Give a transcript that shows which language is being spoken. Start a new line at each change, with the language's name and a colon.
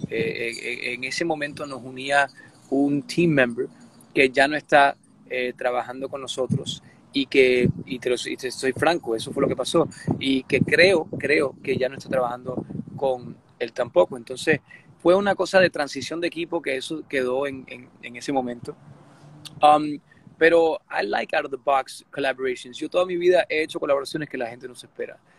Spanish: En ese momento nos unía un team member que ya no está trabajando con nosotros y te soy franco, eso fue lo que pasó, y que creo que ya no está trabajando con él tampoco. Entonces fue una cosa de transición de equipo que eso quedó en ese momento. Pero
English: I like out of the box collaborations.
Spanish: Yo toda mi vida he hecho colaboraciones que la gente no se espera.